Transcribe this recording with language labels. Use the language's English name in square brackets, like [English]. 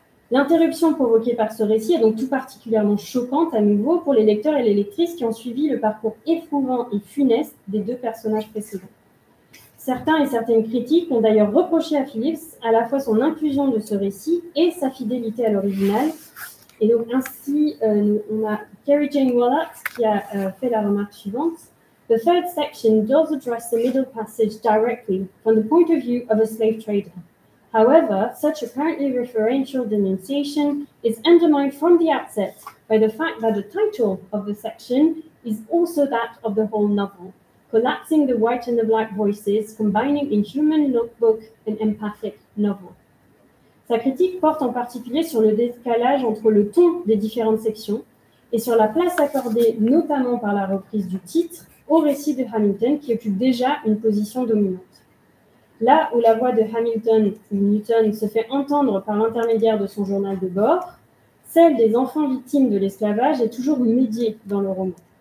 [French] L'interruption provoquée par ce récit est donc tout particulièrement choquante à nouveau pour les lecteurs et les lectrices qui ont suivi le parcours éprouvant et funeste des deux personnages précédents. Certains et certaines critiques ont d'ailleurs reproché à Phillips à la fois son inclusion de ce récit et sa fidélité à l'original, Et donc, ainsi, on a Kerry Jane Wallach qui a fait la remarque suivante. [English] The third section does address the Middle Passage directly from the point of view of a slave trader. However, such apparently referential denunciation is undermined from the outset by the fact that the title of the section is also that of the whole novel, collapsing the white and the black voices, combining in human notebook and empathic novel. [French] Sa critique porte en particulier sur le décalage entre le ton des différentes sections et sur la place accordée notamment par la reprise du titre au récit de Hamilton qui occupe déjà une position dominante. Là où la voix de Hamilton ou Newton se fait entendre par l'intermédiaire de son journal de bord, celle des enfants victimes de l'esclavage est toujours médiée dans le roman.